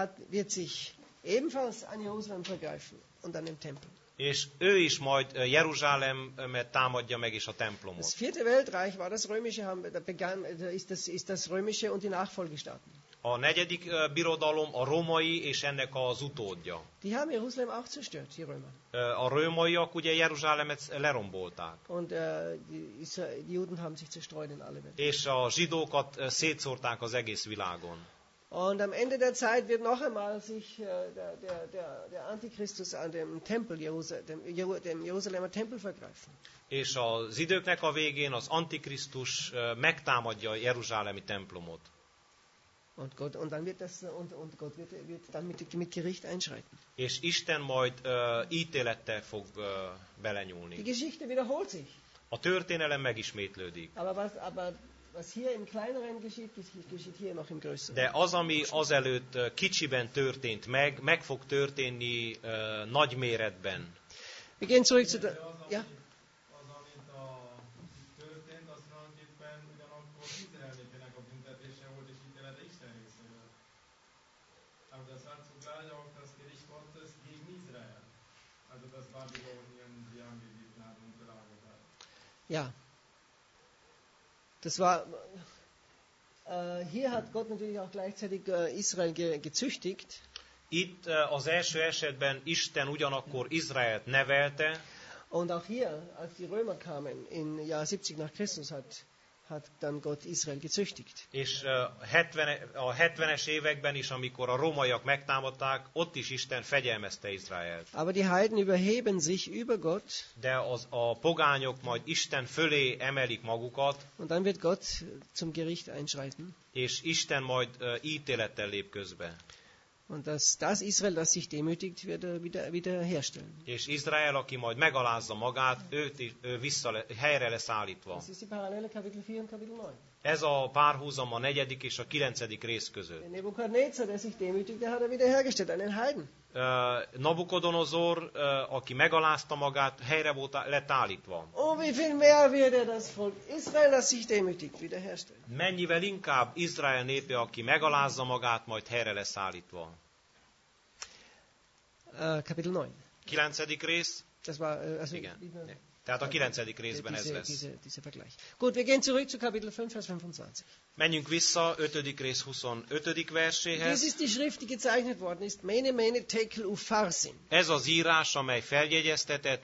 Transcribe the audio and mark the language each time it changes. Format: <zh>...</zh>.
<de>wird sich ebenfalls an Jerusalem vergreifen und an dem Tempel.</de> <hu>És ő is majd Jeruzsálemet támadja meg és a templomot.</hu> <de>Das vierte Weltreich war das römische, ist das römische und die Nachfolgestaaten.</de> <hu>A negyedik birodalom a római és ennek az utódja.</hu> <de>Die haben Jerusalem auch zerstört, die Römer.</de> <hu>A rómaiak ugye Jeruzsálemet lerombolták.</hu> <de>Und die Juden haben sich zerstreut in alle Welt.</de> <hu>És a zsidókat szétszórták az egész világon.</hu> <de>Und am Ende der Zeit wird noch einmal sich der Antichristus an dem Tempel dem Jerusalemer Tempel vergreifen.</de> <hu>És az időknek a végén az Antikrisztus megtámadja a jeruzsálemi templomot.</hu> <de>Und Gott wird dann mit Gericht einschreiten.</de> <hu>És Isten majd ítélettel fog belenyúlni.</hu> <de>Die Geschichte wiederholt sich.</de> <hu>A történelem megismétlődik.</hu> <de>Was hier im kleineren geschieht hier noch im größeren.</de> <hu>De az, ami azelőtt kicsiben történt meg, meg fog történni nagy méretben.</hu> <de>Wir gehen zurück zu ja.</de> <hu>Az, amit a történt, az tulajdonképpen ugyanakkor Izraelnek a büntetése volt, és ítélete Isten részéről.</hu> <de>Das hat zugleich auch das Gericht Gottes gegen Israel. Also das Babylonien, die angebieten hat und gelagert hat. Ja. Das war hier hat Gott natürlich auch gleichzeitig Israel gezüchtigt.</de> <hu>Itt az első esetben Isten ugyanakkor Izraelt nevelte.</hu> <de>Und auch hier, als die Römer kamen im Jahr 70 nach Christus, hat dann Gott Israel gezüchtigt.</de> <hu>És a 70-es években is, amikor a rómaiak megtámadták, ott is Isten fegyelmezte Izraelt.</hu> <de>Aber die Heiden überheben sich über Gott.</de> <hu>De a pogányok majd Isten fölé emelik magukat.</hu> <de>Und dann wird Gott zum Gericht einschreiten.</de> <hu>És Isten majd ítélettel lép közbe.</hu> <de>Und das Israel, das sich demütigt, wird wieder herstellen.</de> <hu>És Izrael, aki majd megalázza magát, ő vissza helyre lesz állítva.</hu> <de>Das ist die Parallele, Kapitel 4 und Kapitel 9.</de> <hu>Ez a párhuzam a negyedik és a kilencedik rész között.</hu> <de>Nebukadnezar, der sich demütigte, hat wieder hergestellt, einen Heiden.</de> <hu>Nabukodonozor, aki megalázta magát, helyre volt lett állítva.</hu> <de>Oh, wie viel mehr wird das Volk Israel, das sich demütigt, wiederherstellen.</de> <hu>Mennyivel inkább Izrael népe, aki megalázza magát, majd helyre lesz állítva.</hu> <de>Kapitel 9.</de> <hu>Kilencedik rész.</hu> <de>Das war,</de> <hu>igen. Tehát a kilencedik részben ez lesz.</hu> <de>Gut, wir gehen zurück zu Kapitel 5, Vers 25.</de> <hu>Menjünk vissza 5. rész 25. verséhez.</hu> <de>Dies ist die Schrift, die gezeichnet worden ist.</de> <arc>Mene, mene, tekel, ufarsin.</arc> <hu>Ez az írás, amely feljegyeztetett.</hu>